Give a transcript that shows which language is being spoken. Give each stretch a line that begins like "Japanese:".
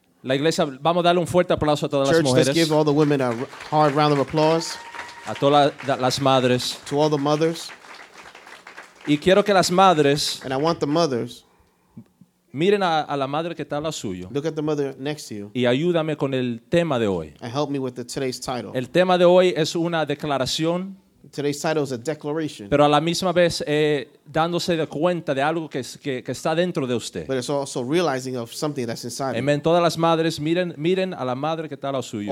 Spanish: La iglesia, vamos a darle un fuerte aplauso a todas
English: Church,
Spanish: las mujeres.
English: Let's give all the women a hard round of applause.
Spanish: A todas las madres.
English: To all the mothers.
Spanish: Y quiero que las madres.
English: And I want the mothers.
Spanish: Miren a la madre que está a la suya.
English: Look at the mother next to you.
Spanish: Y ayúdame con el tema de hoy.
English: And help me with today's title.
Spanish: El tema de hoy es una declaración.
English: Today's title is a declaration.
Spanish: Pero a la misma vez dándose de cuenta de algo que está dentro de usted.
English: But it's also realizing of something that's inside. Amen.
Spanish: Todas las madres miren a la madre que está al suyo.